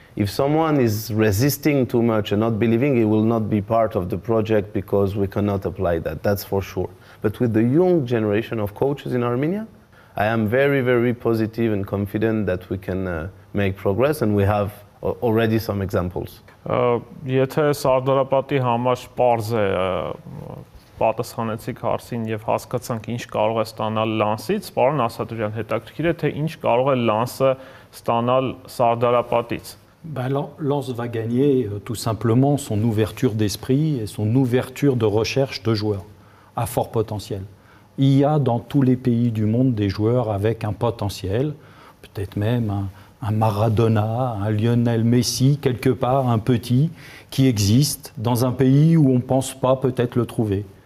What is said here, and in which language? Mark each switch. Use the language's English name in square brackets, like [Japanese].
[English] If someone is resisting too much and not believing, he will not be part of the project because we cannot apply that. That's for sure. But with the young generation of coaches in Armenia, I am very, very positive and confident that we can make progress, and we have already some examples. [Armenian] Եթե Սարդարապատի համար պարզ է, պատասխանեցիք հարցին և հասկացանք ինչ կարող է ստանալ Լանսից, պարոն Ասատուրյան, հետաքրքիր է, թե ինչ կարող է Լանսը ստանալ Սարդարապատից. [French] Lens va gagner tout simplement son ouverture d'esprit et son ouverture de recherche de joueurs à fort potentiel. Il y a dans tous les pays du monde des joueurs avec un potentiel, peut-être même un Maradona, un Lionel Messi, quelque part un petit, qui existe dans un pays où on ne pense pas peut-être le trouver.